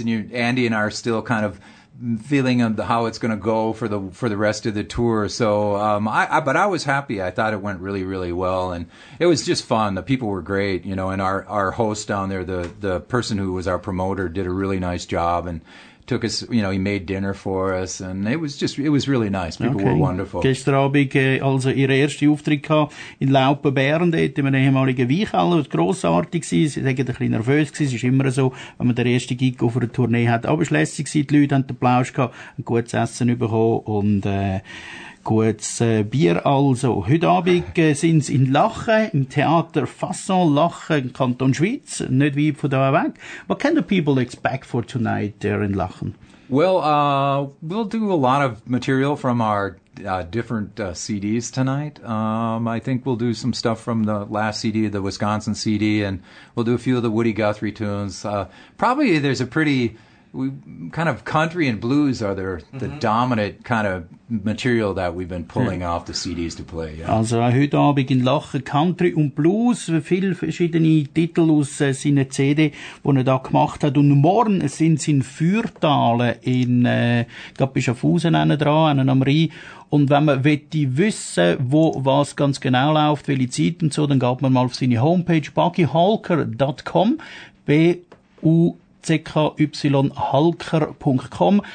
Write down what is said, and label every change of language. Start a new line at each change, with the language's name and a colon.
English: And Andy and I are still kind of feeling of how it's going to go for the rest of the tour. So, but I was happy. I thought it went really, really well. And it was just fun. The people were great, you know, and our host down there, the person who was our promoter, did a really nice job and took us, you know, he made dinner for us. And it was really nice. People were wonderful.
German: Gestern Abend, also ihre erste Auftritt gehabt in Laupenbären, dort in einem ehemaligen Weichhallen. Es war grossartig. Sie waren ein bisschen nervös. Es ist immer so, wenn man den ersten Gig auf einer Tournee hat. Aber es war lässig gewesen. Die Leute haben den Plausch gehabt, ein gutes Essen bekommen und gutes Bier also. Heute Abend sind sie in Lachen, im Theater Fasson Lachen, Kanton Schweiz, nicht weit von da weg.
English: What can the people expect for tonight there in Lachen? Well, we'll do a lot of material from our different CDs tonight. I think we'll do some stuff from the last CD, the Wisconsin CD, and we'll do a few of the Woody Guthrie tunes. Probably there's a pretty... We kind of country and blues are the dominant kind of material that we've been pulling off the CDs to play. Yeah.
German: Also heute Abend in Lachen Country und Blues, viele verschiedene Titel aus seiner CD, die er da gemacht hat. Und morgen sind sie in Fürthalen, in Gappischaffhausen dran, am Rhein. Und wenn man wette wissen, wo was ganz genau läuft, welche Zeit und so, dann geht man mal auf seine Homepage buckyhalker.com, buckyhalker.com.